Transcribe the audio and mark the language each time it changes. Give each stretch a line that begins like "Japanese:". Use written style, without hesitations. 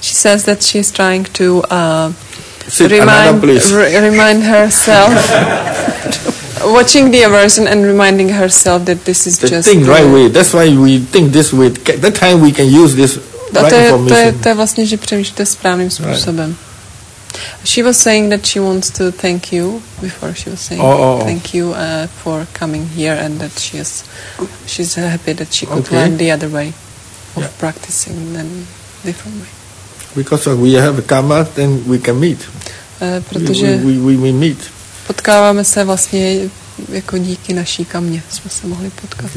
English: She says that she is trying to remind herself, watching the aversion and reminding herself that this is the just... The thing right way, that's why we think this way, that time we can use this right information.
Czech: To je vlastně, že přemýšlíte správným způsobem.
English: Right. She was saying that she wants to thank you before she was saying thank you for coming here and that she's happy that she could learn the other way of practicing in a different way. Because we have a karma, then we can meet.
Czech: Protože
English: we meet.
Czech: Potkáváme se vlastně jako díky naší kamně jsme se mohli potkat.